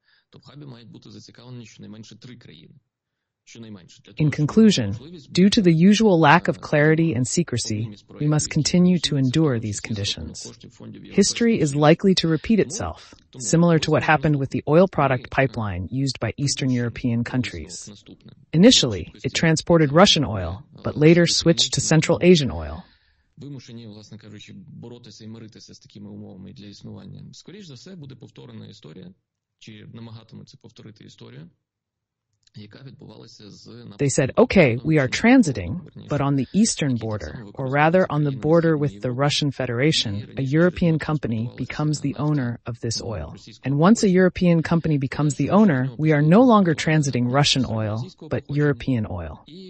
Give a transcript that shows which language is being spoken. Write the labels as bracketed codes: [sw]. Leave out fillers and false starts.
[uk] То в хабі мають бути зацікавлені щонайменше три країни. [en] In conclusion, due to the usual lack of clarity and secrecy, we must continue to endure these conditions. History is likely to repeat itself, similar to what happened with the oil product pipeline used by Eastern European countries. Initially, it transported Russian oil, but later switched to Central Asian oil. [uk] Вимушені, власне кажучи, боротися і миритися з такими умовами для існування. Скоріше за все, буде повторена історія. Чи намагатимуться повторити історію, яка відбувалася з... [en] They said, okay, we are transiting, but on the eastern border, or rather on the border with the Russian Federation, a European company becomes the owner of this oil. And once a European company becomes the owner, we are no longer transiting Russian oil, but European oil.